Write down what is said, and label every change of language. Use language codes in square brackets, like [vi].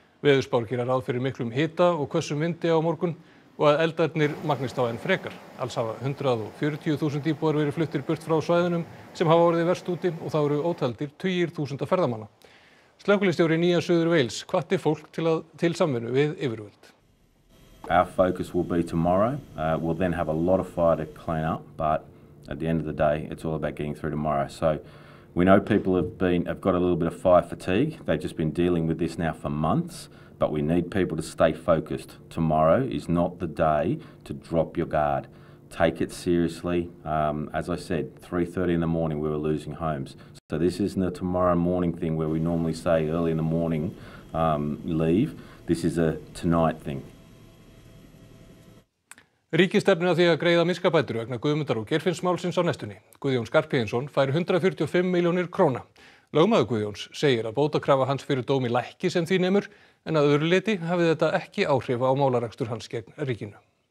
[is] Veðurspár gera ráð fyrir miklum hita og hvössum vindi á morgun og að eldarnir magnist á enn frekar. Alls hafa 140.000 íbúar verið fluttir burt frá svæðunum sem hafa orðið verst úti og þá eru ótaldir 20.000 ferðamanna. Slökkviliðsstjóri Nýja Suður Wales hvatti fólk til samvinnu við yfirvöld. [en] Our focus will be tomorrow. We'll then have a lot of fire to clean up, but at the end of the day, it's all about getting through tomorrow. So we know people have got a little bit of fire fatigue. They've just been dealing with this now for months, but we need people to stay focused. Tomorrow is not the day to drop your guard. Take it seriously. As I said, 3:30 in the morning, we were losing homes. So this isn't a tomorrow morning thing where we normally say early in the morning, leave. This is a tonight thing. [is] Ríkisstefnir að því að greiða miskabætur vegna Guðmundar og Geirfinnsmálsins á næstunni. Guðjón Skarphéðinsson fær 145 miljónir króna. Lögmaður Guðjóns segir að bótakrafa hans fyrir dómi lækki sem því nemur, en að öðru leti hafi þetta ekki áhrif á málarakstur hans gegn ríkinu.